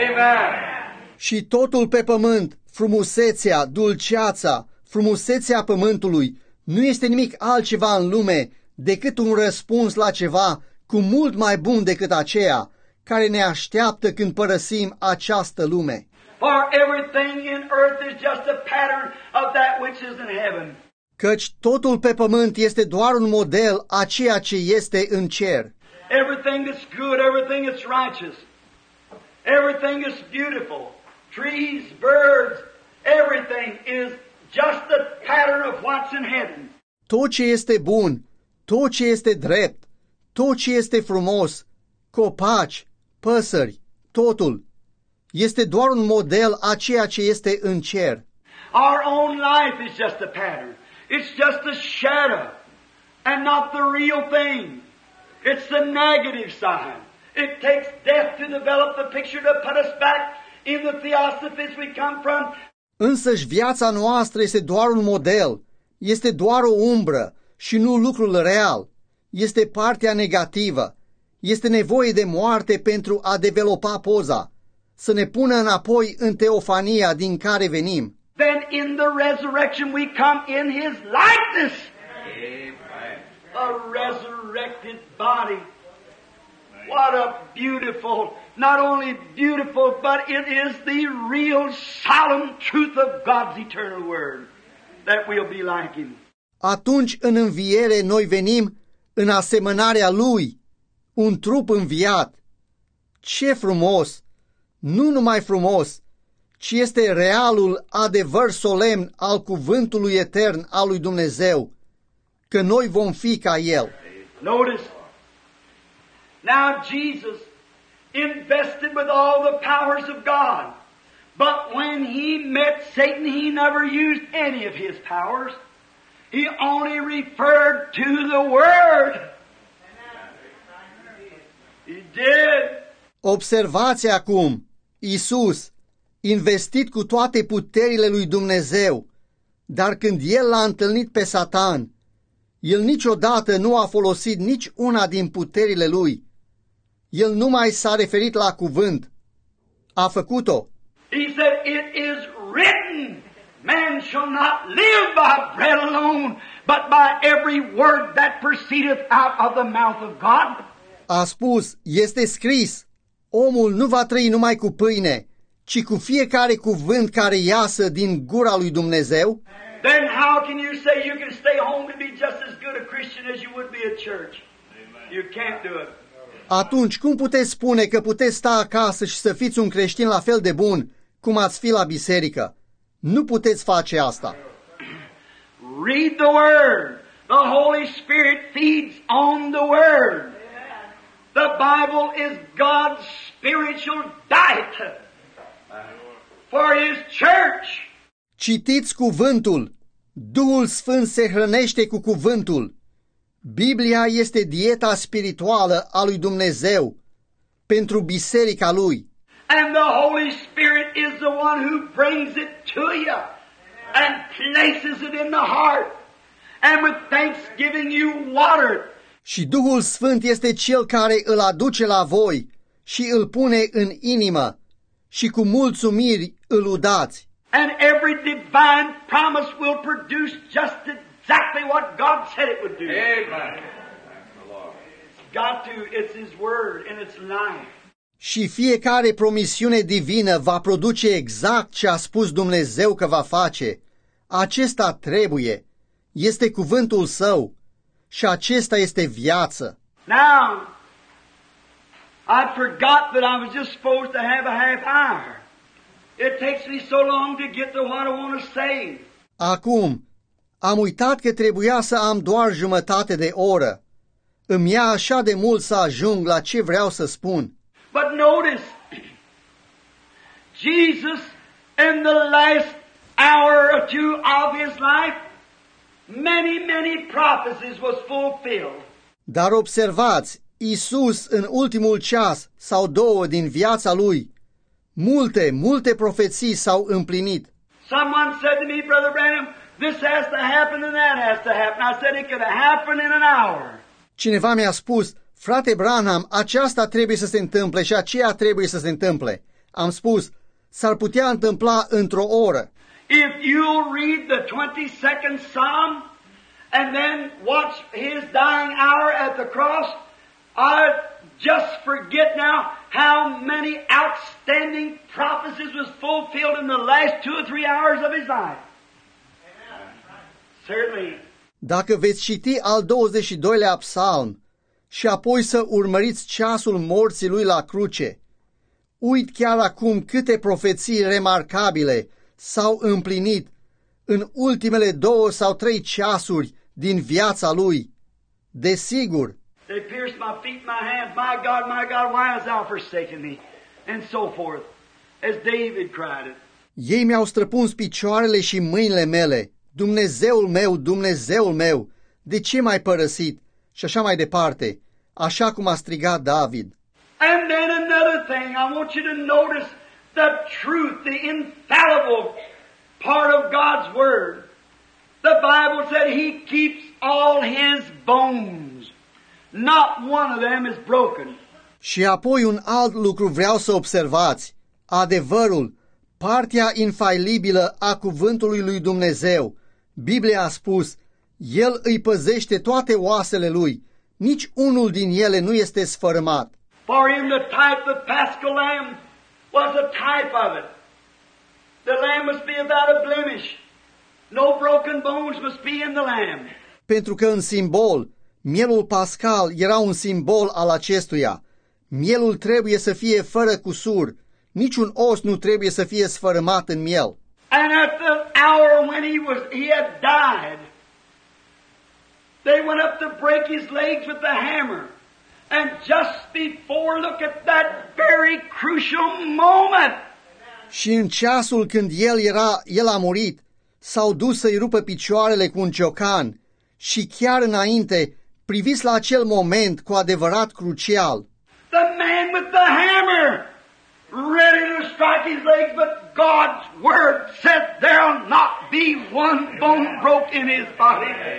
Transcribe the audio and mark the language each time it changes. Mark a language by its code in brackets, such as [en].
[en] Amen. [ro] Și totul pe pământ, frumusețea, dulceața, frumusețea pământului, nu este nimic altceva în lume decât un răspuns la ceva cu mult mai bun decât aceea care ne așteaptă când părăsim această lume. [en] For everything in earth is just a pattern of that which is in heaven. [ro] Căci totul pe pământ este doar un model a ceea ce este în cer. [en] Everything that's good, everything that's righteous, everything is beautiful, trees, birds, everything is just the pattern of what's in heaven. [ro] Tot ce este bun, tot ce este drept, tot ce este frumos, copaci, păsări, totul este doar un model a ceea ce este în cer. [en] Our own life is just a pattern. It's just a shadow and not the real thing. It's the negative side. It takes death to develop the picture to put us back in the theosophies we come from. [ro] Însăși viața noastră este doar un model. Este doar o umbră și nu lucrul real. Este partea negativă. Este nevoie de moarte pentru a developa poza. Să ne pună înapoi în teofania din care venim. [en] Then in the resurrection we come in his likeness. Amen. A resurrected body. What a beautiful, not only beautiful, but it is the real solemn truth of God's eternal word that we'll be like him. [ro] Atunci în înviere noi venim în asemănarea lui, un trup înviat. Ce frumos! Nu numai frumos, ci este realul adevăr solemn al cuvântului etern al lui Dumnezeu, că noi vom fi ca El. [en] Notice, now Jesus invested with all the powers of God, but when he met Satan, he never used any of his powers. He only referred to the Word. He did. [ro] Observați acum. Iisus, investit cu toate puterile lui Dumnezeu, dar când el l-a întâlnit pe Satan, el niciodată nu a folosit nici una din puterile lui. El numai s-a referit la cuvânt. A făcut-o. [en] He said, it is written, man shall not live by bread alone, but by every word that proceedeth out of the mouth of God. [ro] A spus, este scris, omul nu va trăi numai cu pâine, ci cu fiecare cuvânt care iasă din gura lui Dumnezeu. [en] Then how can you say you can stay home and be just as good a Christian as you would be at church? You can't do it. [ro] Atunci, cum puteți spune că puteți sta acasă și să fiți un creștin la fel de bun cum ați fi la biserică? Nu puteți face asta. [en] Read the Word. The Holy Spirit feeds on the Word. The Bible is God's spiritual diet for his church. [ro] Citiți cuvântul. Duhul Sfânt se hrănește cu cuvântul. Biblia este dieta spirituală a lui Dumnezeu pentru biserica lui. [en] And the Holy Spirit is the one who brings it to you and places it in the heart. And with thanksgiving you water it. [ro] Și Duhul Sfânt este cel care îl aduce la voi și îl pune în inimă și cu mulțumiri îl udați. [en] And every divine promise will produce just exactly what God said it would do. Amen. God to, it's His word and it's life. [ro] Și fiecare promisiune divină va produce exact ce a spus Dumnezeu că va face. Acesta trebuie. Este cuvântul Său. Și acesta este viață. [en] Now, I forgot that I was just supposed to have a half hour. It takes me so long to get to what I want to say. [ro] Acum, am uitat că trebuia să am doar jumătate de oră. Îmi ia așa de mult să ajung la ce vreau să spun. [en] But notice, Jesus in the last hour or two of his life, many, many prophecies was fulfilled. [ro] Dar observați, Iisus în ultimul ceas sau două din viața lui, multe, multe profeții s-au împlinit. [en] Someone said to me, Brother Branham, this has to happen and that has to happen. I said it could happen in an hour. [ro] Cineva mi-a spus, Frate Branham, aceasta trebuie să se întâmple și aceea trebuie să se întâmple. Am spus, s-ar putea întâmpla într-o oră. [en] If you'll read the 22nd Psalm and then watch his dying hour at the cross, I just forget now how many outstanding prophecies was fulfilled in the last two or three hours of his life. Certainly. [ro] Dacă veți citi al 22-lea Psalm și apoi să urmăriți ceasul morții lui la cruce, uit chiar acum câte profeții remarcabile s-au împlinit în ultimele două sau trei ceasuri din viața lui. Desigur. [en] They pierced my feet, my hands, my God, why hast thou forsaken me? And so forth, as David cried it. [ro] Ei mi-au străpuns picioarele și mâinile mele. Dumnezeul meu, Dumnezeul meu, de ce m-ai părăsit? Și așa mai departe, așa cum a strigat David. [en] And then another thing, I want you to notice the truth, the infallible part of God's word. The Bible said he keeps all his bones. Not one of them is broken. [ro] Și apoi un alt lucru vreau să observați. Adevărul, partea infailibilă a cuvântului lui Dumnezeu. Biblia a spus, El îi păzește toate oasele lui. Nici unul din ele nu este sfărâmat. [en] For him the type of the Paschal lamb was a type of it. The lamb must be without a blemish. No broken bones must be in the lamb. [ro] Pentru că în simbol, mielul pascal era un simbol al acestuia. Mielul trebuie să fie fără cusur. Niciun os nu trebuie să fie sfărâmat în miel. [en] And at the hour when he had died, they went up to break his legs with the hammer. And just before, look at that very crucial moment. [ro] Și în ceasul când el a murit, s-au dus să-i rupă picioarele cu un ciocan. Și chiar înainte, priviți la acel moment cu adevărat crucial. [en] The man with the hammer, ready to strike his legs, but God's word said there'll not be one bone broke in his body.